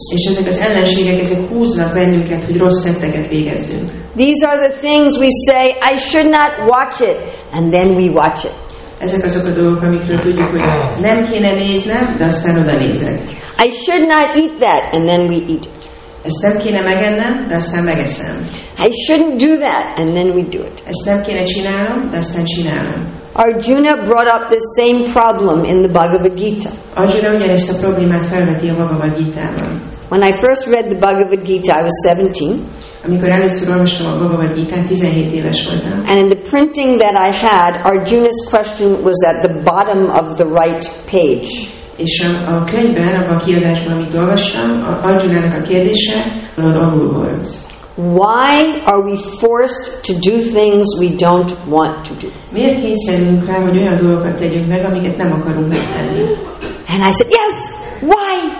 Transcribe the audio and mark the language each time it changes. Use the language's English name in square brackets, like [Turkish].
[Hungarian] És ezek az ellenségek, ezek húznak bennünket, hogy rossz tetteket végezzünk. [English] These are the things we say, I should not watch it, and then we watch it. [Hungarian] Ezek azok a dolgok, amikről tudjuk, hogy nem kéne néznem, de aztán oda nézek. [English] I should not eat that, and then we eat it. [Hungarian] Ezt nem kéne megennem, de aztán megeszem. [English] I shouldn't do that, and then we do it. [Hungarian] Ezt nem kéne csinálnom, de aztán csinálom. [English] Arjuna brought up the same problem in the Bhagavad Gita. [Hungarian] Arjuna ugyanezt a problémát felveti a Bhagavad Gita-ban. [English] When I first read the Bhagavad Gita, I was 17. [Hungarian] Amikor először olvastam a Bhagavad Gita-t, 17 éves voltam. [English] And in the printing that I had, Arjuna's question was at the bottom of the right page. [Hungarian] És a könyvben, abban a kiadásban, amit olvastam, Arjunának a kérdése alul volt. [English] Why are we forced to do things we don't want to do? [Hungarian] Miért kényszerülünk rá, hogy olyan dolgokat tegyünk meg, amiket nem akarunk megtenni? [English] And I said, yes, why?